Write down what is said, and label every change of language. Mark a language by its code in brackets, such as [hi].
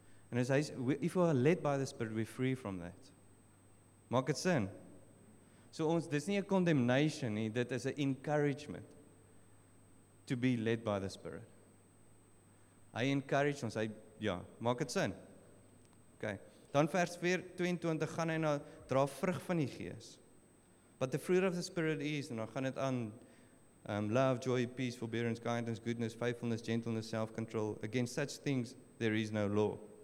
[af] En as hy sê, [en] if we are led by the Spirit, we're free from that. [af] Maak het sin? So ons, dis nie een condemnation nie, dit is een encouragement. [en] To be led by the Spirit. [af] Hy encourage ons, hy, ja, maak het sin. Okay. Dan vers 22, gaan hy na, dra vrug van die gees. [en] But the fruit of the Spirit is, [af] en dan gaan het aan, [en] love, joy, peace, forbearance, kindness, goodness, faithfulness, gentleness, self-control, against such things, there is no law.